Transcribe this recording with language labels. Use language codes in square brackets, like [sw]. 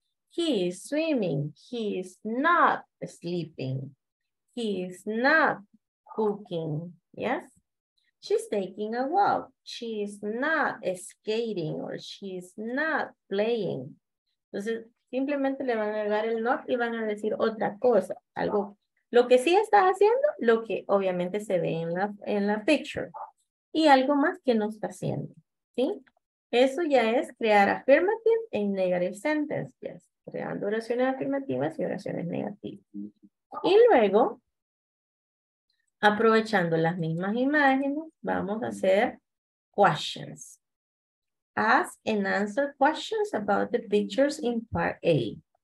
[en] He is swimming. He is not sleeping. He is not cooking. Yes? She's taking a walk. She is not skating, or she is not playing. [es] Entonces, simplemente le van a agregar el not y van a decir otra cosa. Algo. Lo que sí está haciendo, lo que obviamente se ve en la picture. Y algo más que no está haciendo. ¿Sí? Eso ya es crear [en] affirmative and negative sentences. Yes. [es] Creando oraciones afirmativas y oraciones negativas. Y luego, aprovechando las mismas imágenes, vamos a hacer questions. [en] Ask and answer questions about the pictures in part A.